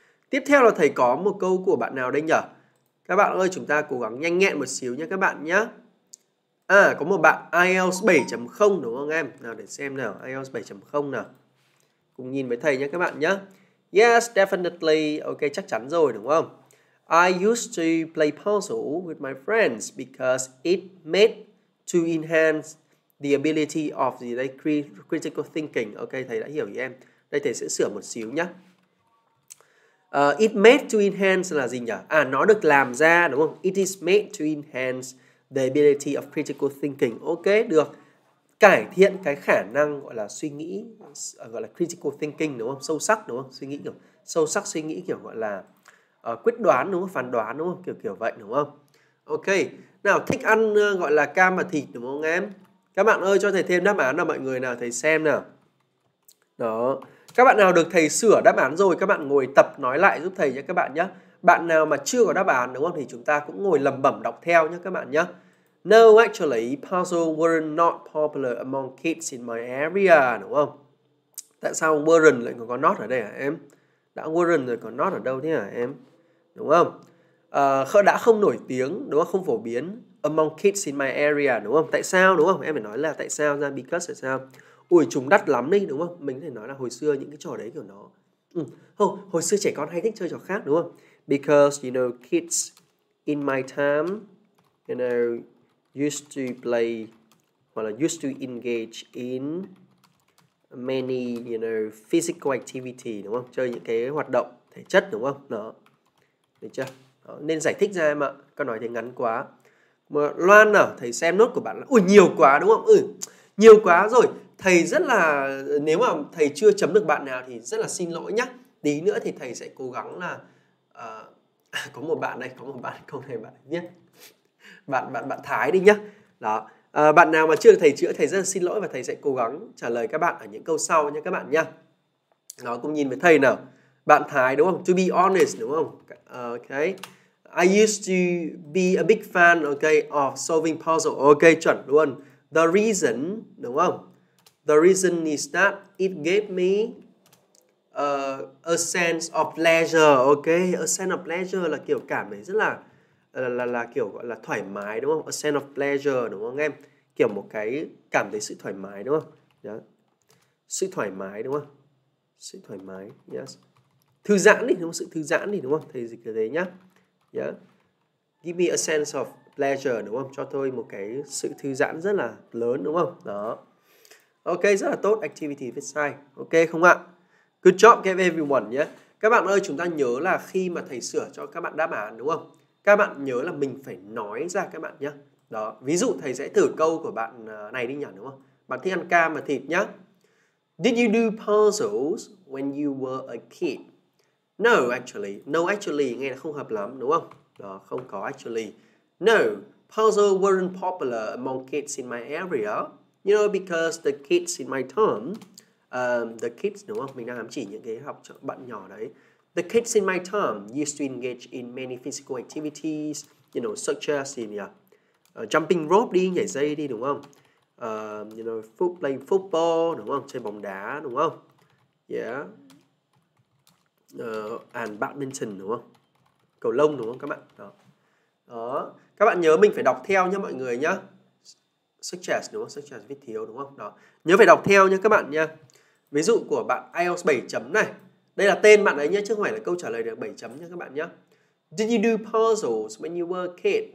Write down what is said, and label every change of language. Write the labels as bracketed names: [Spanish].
[Vietnamese] Tiếp theo là thầy có một câu của bạn nào đây nhỉ? Các bạn ơi, chúng ta cố gắng nhanh nhẹn một xíu nha các bạn nhé. Có một bạn IELTS 7.0 đúng không em? Nào để xem nào, IELTS 7.0 nào. Cùng nhìn với thầy nha các bạn nhé. [English] Yes, definitely. [Vietnamese] Ok, chắc chắn rồi đúng không? [English] I used to play puzzle with my friends because it made to enhance the ability of the critical thinking. [Vietnamese] Ok, thầy đã hiểu ý em. Đây thầy sẽ sửa một xíu nhé. [English] It made to enhance [Vietnamese] là gì nhỉ? À, nó được làm ra, đúng không? [English] It is made to enhance the ability of critical thinking. [Vietnamese] Ok, được. Cải thiện cái khả năng gọi là suy nghĩ, gọi là critical thinking, đúng không? Sâu sắc, đúng không? Suy nghĩ kiểu sâu sắc, suy nghĩ kiểu gọi là quyết đoán, đúng không? Phán đoán, đúng không? Kiểu kiểu vậy, đúng không? Ok. Nào, thích ăn gọi là cam và thịt, đúng không em? Các bạn ơi, cho thầy thêm đáp án nào mọi người nào, thầy xem nào. Đó. Các bạn nào được thầy sửa đáp án rồi, các bạn ngồi tập nói lại giúp thầy nhé các bạn nhé. Bạn nào mà chưa có đáp án, đúng không, thì chúng ta cũng ngồi lẩm bẩm đọc theo nhé các bạn nhé. [English] No, actually, puzzles were not popular among kids in my area, [Vietnamese] đúng không? Tại sao weren't lại còn có not ở đây hả em? Đã weren't rồi còn not ở đâu thế hả em? Đúng không? Đã không nổi tiếng, đúng không, không phổ biến [English] among kids in my area, [Vietnamese] đúng không? Tại sao, đúng không? Em phải nói là tại sao ra, because là sao? Ui, chúng đắt lắm đi, đúng không? Mình có thể nói là hồi xưa những cái trò đấy kiểu nó... hồi xưa trẻ con hay thích chơi trò khác, đúng không? [English] Because, you know, kids in my time, you know, used to play, [Vietnamese] hoặc là [English] used to engage in many, you know, physical activity, đúng không? [Vietnamese] Chơi những cái hoạt động thể chất, đúng không? Đó, được chưa? Đó. Nên giải thích ra em ạ, con nói thì ngắn quá. Mà Loan nào, thầy xem nốt của bạn là... Ui, nhiều quá, đúng không? Ừ, nhiều quá rồi. Thầy rất là, nếu mà thầy chưa chấm được bạn nào thì rất là xin lỗi nhá. Tí nữa thì thầy sẽ cố gắng là có một bạn này, có một bạn câu này bạn nhé. Bạn Thái đi nhá. Đó. Bạn nào mà chưa được thầy chữa, thầy rất là xin lỗi và thầy sẽ cố gắng trả lời các bạn ở những câu sau nhá các bạn nhá. Đó, cùng nhìn với thầy nào. Bạn Thái đúng không? [English] To be honest [Vietnamese] đúng không? [English] Ok. I used to be a big fan, okay, of solving puzzle. [Vietnamese] Ok, chuẩn luôn. [English] The reason [Vietnamese] đúng không? [English] The reason is that it gave me a sense of pleasure, okay? A sense of pleasure [Vietnamese] là kiểu cảm thấy rất là kiểu gọi là thoải mái, đúng không? A sense of pleasure, đúng không em? Kiểu một cái cảm thấy sự thoải mái, đúng không? Yeah. Sự thoải mái, đúng không? Sự thoải mái, yes. Thư giãn đi, đúng không? Sự thư giãn đi, đúng không? Thầy dịch cái đấy nhá. Yeah. [English] Give me a sense of pleasure, [Vietnamese] đúng không? Cho tôi một cái sự thư giãn rất là lớn, đúng không? Đó. Ok, rất là tốt, activity viết sai. Ok không ạ? [English] Good job everyone [Vietnamese] nhé. Các bạn ơi, chúng ta nhớ là khi mà thầy sửa cho các bạn đáp án đúng không? Các bạn nhớ là mình phải nói ra các bạn nhé. Đó, ví dụ thầy sẽ thử câu của bạn này đi nhỉ, đúng không? Bạn thích ăn cam và thịt nhé. [English] Did you do puzzles when you were a kid? No, actually. No, actually, [Vietnamese] nghe là không hợp lắm, đúng không? Đó, không có [English] actually. No, puzzles weren't popular among kids in my area. You know, because the kids in my town, the kids, [Vietnamese] đúng không? Mình đang ám chỉ những cái học bạn nhỏ đấy. [English] The kids in my town used to engage in many physical activities, you know, such as in, jumping rope [Vietnamese] đi, nhảy dây đi, đúng không? [English] You know, playing football, [Vietnamese] đúng không? Chơi bóng đá, đúng không? Yeah. [English] And badminton, [Vietnamese] đúng không? Cầu lông, đúng không các bạn? Đó. Đó. Các bạn nhớ mình phải đọc theo nhá mọi người nhá. [English] Such as, [Vietnamese] đúng không? [English] Such as [Vietnamese] viết thiếu, đúng không? Đó. Nhớ phải đọc theo nhé các bạn nha. Ví dụ của bạn IELTS 7 chấm này. Đây là tên bạn ấy nhé, chứ không phải là câu trả lời được 7 chấm nha các bạn nhé. [English] Did you do puzzles when you were a kid?